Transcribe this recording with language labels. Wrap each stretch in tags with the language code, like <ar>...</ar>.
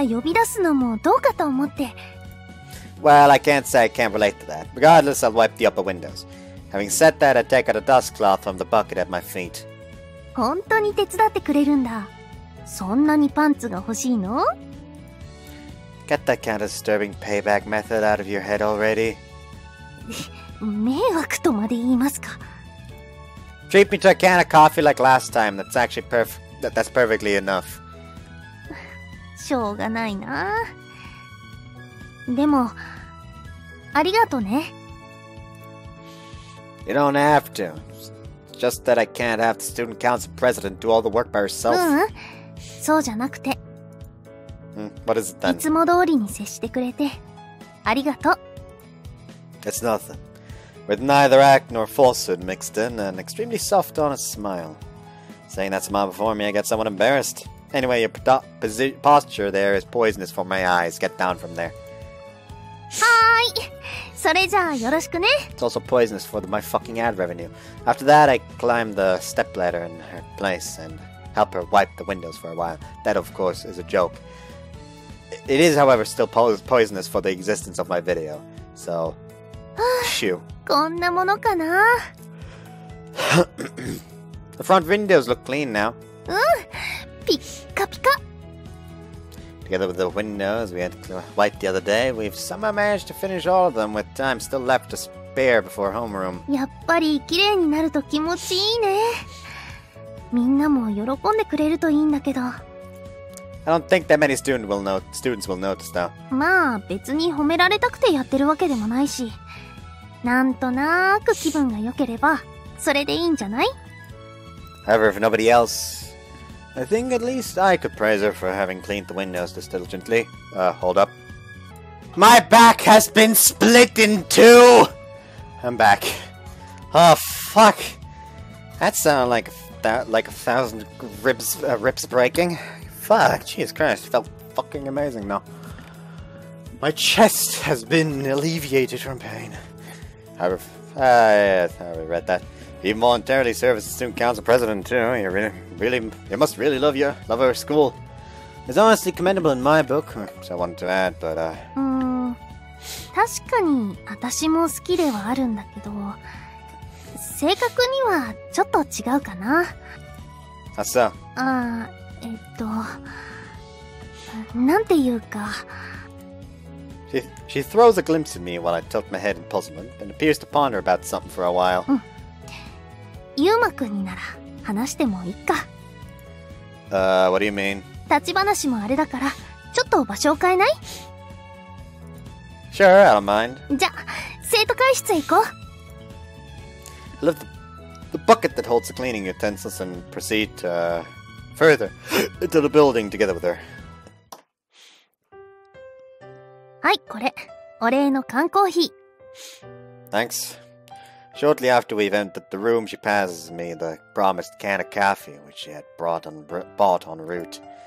<ja>やっぱり朝から呼び出すのもどうかと思って…</ja> <en>Well, I can't say I can't relate to that. Regardless, I'll wipe the upper windows. Having said that, I take out a dust cloth from the bucket at my feet.</en> <ja>本当に手伝ってくれるんだ?そんなにパンツが欲しいの?</ja> <en>Get that kind of disturbing payback method out of your head already.</en> <ja>迷惑とまで言いますか?</ja> <en>Treat me to a can of coffee like last time. That's actually that's perfectly enough.</en> <ja>しょうがないな… でも… ありがとね…</ja> <en>You don't have to. It's just that I can't have the student council president do all the work by herself.</en> <ja>うん、そうじゃなくて…</ja> <en>What is it then?</en> <ja>いつも通りに接してくれて… ありがとう…</ja> <en>It's nothing. With neither act nor falsehood mixed in, an extremely soft, honest smile. Saying that smile before me, I get somewhat embarrassed. Anyway, your posture there is poisonous for my eyes. Get down from there. Hi.</en> <ja>それじゃあよろしくね!</ja> <en>It's also poisonous for my fucking ad revenue. After that, I climb the stepladder in her place and help her wipe the windows for a while. That, of course, is a joke. It is, however, still poisonous for the existence of my video. So, shoo.</en> <ja>こんなものかな?</ja> <en>The front windows look clean now.</en> <ja>うん! Pika pika.</ja> <en>Together with the windows we had to wipe the other day, we've somehow managed to finish all of them with time still left to spare before homeroom.</en> <ja>やっぱり綺麗になると気持ちいいね。みんなも喜んでくれるといいんだけど。</ja> <en>I don't think that many students will notice, though.</en> <ja>まあ、別に褒められたくてやってるわけでもないし、なんとなく気分が良ければそれでいいんじゃない?</ja> <en>However, if nobody else... I think at least I could praise her for having cleaned the windows this diligently. Hold up. My back has been split in two! I'm back. Oh, fuck. That sounded like a thousand ribs breaking. Fuck, Jesus Christ, felt fucking amazing now. My chest has been alleviated from pain. I read that. He voluntarily serves as student council president too. You must really love our school. It's honestly commendable in my book, so I wanted to add, but I...</en> <ja>確かに私も好きではあるんだけど、性格にはちょっと違うかな。</ja> <en>How so?</en> <ja>なんていうか、she</ja> <en>throws a glimpse at me while I tilt my head in puzzlement and appears to ponder about something for a while.</en> <ja>ユーマ君なら話してもいいか。</ja> <en>What do you mean?</en> <ja>立ち話もあれだから、ちょっと場所を変えない?</ja> <en>Sure, I don't mind.</en> <ja>じゃ、生徒会室へ行こう。</ja> <en>I lift the bucket that holds the cleaning utensils and proceed to, further into the building together with her.</en> <ja>はい、これ、お礼の缶コーヒー。</ja> <en>Thanks. Shortly after we've entered the room, she passes me the promised can of coffee, which she had bought en route.</en>